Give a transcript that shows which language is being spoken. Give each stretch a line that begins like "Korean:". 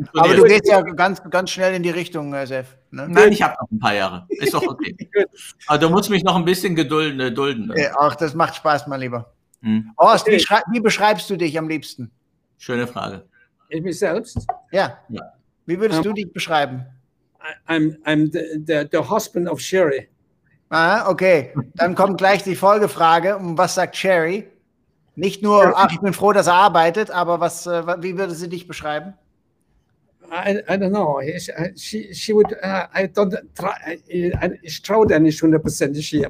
German: Aber du gehst ja ganz, ganz schnell in die Richtung, Sef. Ne? Nein, ich habe noch ein paar Jahre. Ist doch okay. Aber du musst mich noch ein bisschen dulden. Ne? Ach, das macht Spaß, mein Lieber. Horst, wie beschreibst du dich am liebsten? Schöne Frage. Ich mich selbst? Ja. Wie würdest du dich beschreiben?
English: I'm the husband of Sherry. Ah, okay.
German: Dann kommt gleich die Folgefrage. Und was sagt Sherry? Nicht nur, ich bin froh, dass er arbeitet, aber wie würde sie dich beschreiben?
English: I don't know. She would, I don't try.
German: Ich traue dir nicht 100%ig hier.